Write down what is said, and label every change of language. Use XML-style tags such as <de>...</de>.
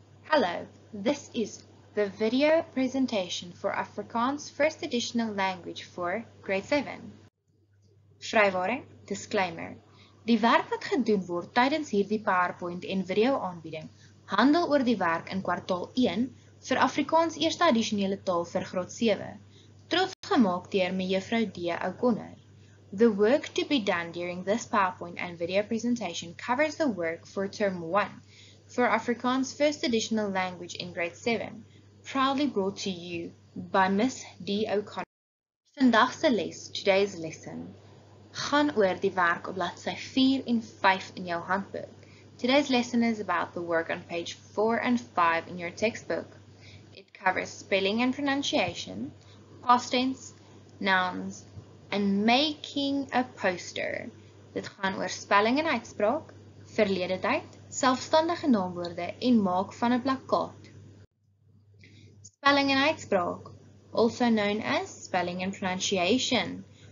<en>Hallo, this is the video presentation for Afrikaans first additional language for grade 7.</en> <af>Vrywaring, disclaimer. Die werk wat gedoen word tydens hierdie PowerPoint en video aanbieding handel oor die werk in kwartaal 1 vir Afrikaans eerste addisionele taal vir graad 7. Trots gemaak deur mevrou D. O'Connor.</af> <en>The work to be done during this PowerPoint and video presentation covers the work for Term 1 for Afrikaans First Additional Language in Grade 7, proudly brought to you by Ms. D. O'Connor.</en> <af>Vandag se les,</af> <en>today's lesson,</en> <af>gaan oor die werk op bladsy 4 en 5 in jou handboek.</af> <en>Today's lesson is about the work on page 4 and 5 in your textbook. It covers spelling and pronunciation, past tense, nouns, and making a poster.</en> <af>Dit gaan oor spelling en uitspraak, verlede tyd, selfstandige naamwoorde en maak van 'n plakkaat. Spelling en uitspraak,</af> <en>also known as spelling and pronunciation.</en>